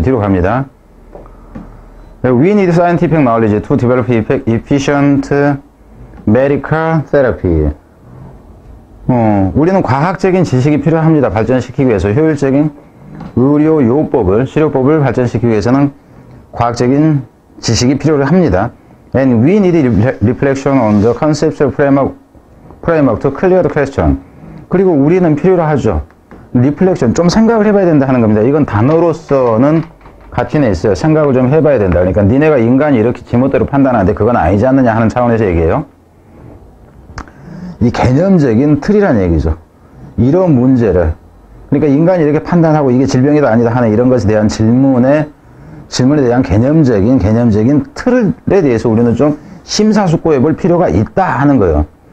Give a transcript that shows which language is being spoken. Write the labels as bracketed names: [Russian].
[English] 뒤로 갑니다. We need scientific knowledge to develop efficient medical therapy. [Korean] 우리는 과학적인 지식이 필요합니다. 발전시키기 위해서 효율적인 의료요법을, 치료법을 발전시키기 위해서는 과학적인 지식이 필요합니다. [English] And we need reflection on the conceptual framework to clear the question. [Korean] 그리고 우리는 필요로 하죠. Reflection, 좀 생각을 해봐야 된다 하는 겁니다. 이건 단어로서는 가치는 있어요. 생각을 좀 해봐야 된다. 그러니까 니네가 인간이 이렇게 지멋대로 판단하는데 그건 아니지 않느냐 하는 차원에서 얘기해요. 이 개념적인 틀이란 얘기죠. 이런 문제를 그러니까 인간이 이렇게 판단하고 이게 질병이다 아니다 하는 이런 것에 대한 질문에 대한 개념적인 틀에 대해서 우리는 좀 심사숙고해 볼 필요가 있다 하는 거예요.